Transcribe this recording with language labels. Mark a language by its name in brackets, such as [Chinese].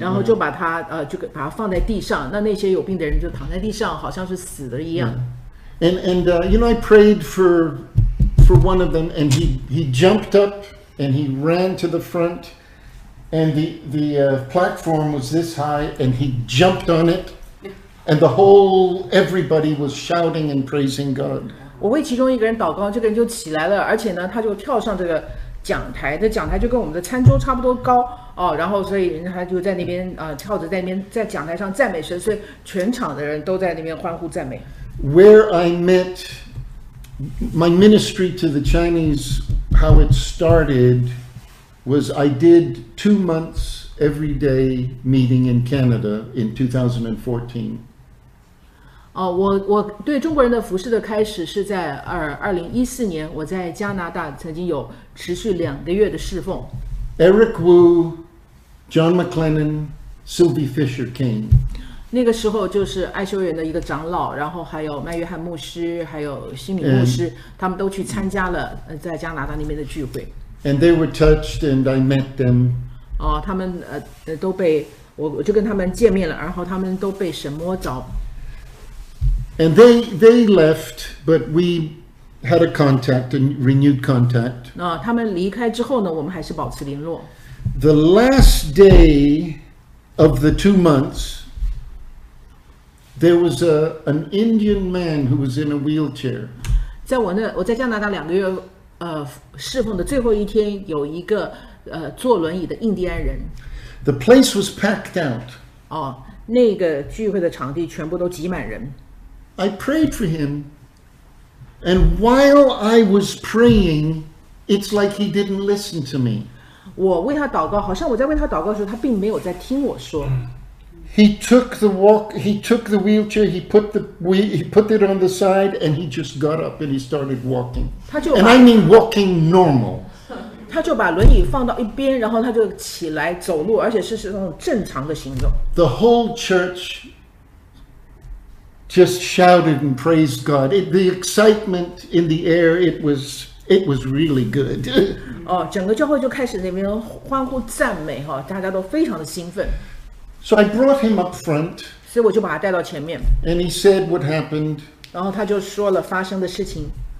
[Chinese] 然后就把他就把他放在地上，那些有病的人就躺在地上好像是死的一样。 [English] You know, I prayed for one of them and he jumped up and he ran to the front and the platform was this high and he jumped on it. And the whole, everybody was shouting and praising God. [Chinese] 我为其中一个人祷告，这个人就起来了，而且呢，他就跳上这个讲台，这讲台就跟我们的餐桌差不多高哦，然后所以人家就在那边跳着在那边在讲台上赞美神，所以全场的人都在那边欢呼赞美。 [English] Where I met my ministry to the Chinese, how it started was I did 2 months. Every day meeting in Canada in 2014. [Chinese] 我对中国人的服事的开始是在2014年，我在加拿大曾经有持续两个月的侍奉。 [English] Eric Wu, John McLennan, Sylvie Fisher came. [Chinese] 那个时候就是爱修园的一个长老，然后还有麦约翰牧师，还有西敏牧师，他们都去参加了在加拿大那边的聚会。 [English] And they were touched, and I met them. [Chinese] 他们都被我就跟他们见面了，然后他们都被神摸着。 [English] And they left, but we had a contact and renewed contact. [Chinese] 他们离开之后呢，我们还是保持联络。 [English] The last day of the 2 months, there was an Indian man who was in a wheelchair. [Chinese] 在我那我在加拿大2个月侍奉的最后一天，有一个坐轮椅的印第安人。 [English] The place was packed out. [Chinese] 哦，那个聚会的场地全部都挤满人。 [English] I prayed for him, and while I was praying, it's like he didn't listen to me. [Chinese] 我为他祷告，好像我在为他祷告的时候，他并没有在听我说。 [English] He took the wheelchair, he put it on the side, and he just got up and he started walking. And I mean walking normal. [Chinese] 他就把轮椅放到一边，然后他就起来走路，而且是那种正常的行走。 [English] The whole church just shouted and praised God. The excitement in the air, it was really good. [Chinese] 哦，整个教会就开始那边欢呼赞美哈，大家都非常的兴奋。 [English] So I brought him up front, [Chinese] 所以我就把他带到前面， [English] and he said what happened. [Chinese] 然后他就说了发生的事情。